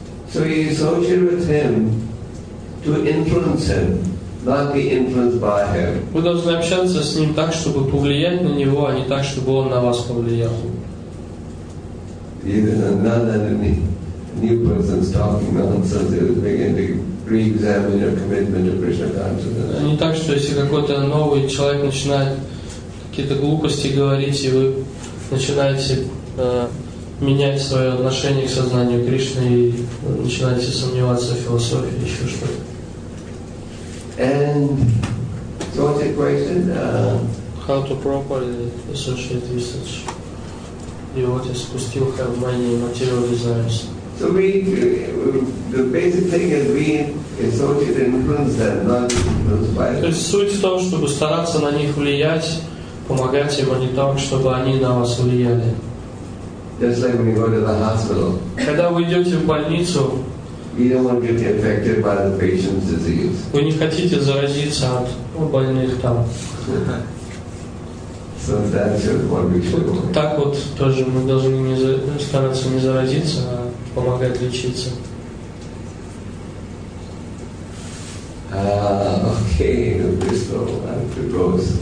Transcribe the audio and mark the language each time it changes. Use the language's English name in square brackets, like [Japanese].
[English] So you associate with him to influence him. Not be influenced by him. [Russian] Вы должны общаться с ним так, чтобы повлиять на него, а не так, чтобы он на вас повлиял. [English] Even another new person's talking nonsense, they will begin to re-examine your commitment to Krishna consciousness. [Russian] Не так, что если какой-то новый человек начинает какие-то глупости говорить, и вы начинаете менять свое отношение к сознанию Кришны и начинаете сомневаться в философии, еще что-то. [English] And so what's the question? How to properly associate with such [Russian] И вот я спустил Харманию и материализуюсь. [English] So the basic thing is being associated and influenced and not influenced by them. [Russian] То есть суть в том, чтобы стараться на них влиять, помогать им, а не так, чтобы они на вас влияли. [English] Just like when you go to the hospital. [Russian] Когда вы идете в больницу, [English] you don't want to get infected by the patient's disease. [Russian] Вы не хотите заразиться от больных там. [English] So that's what we should do. [Russian] Так вот тоже мы должны не стараться не заразиться, а помогать лечиться. [English] Okay, this will have to go.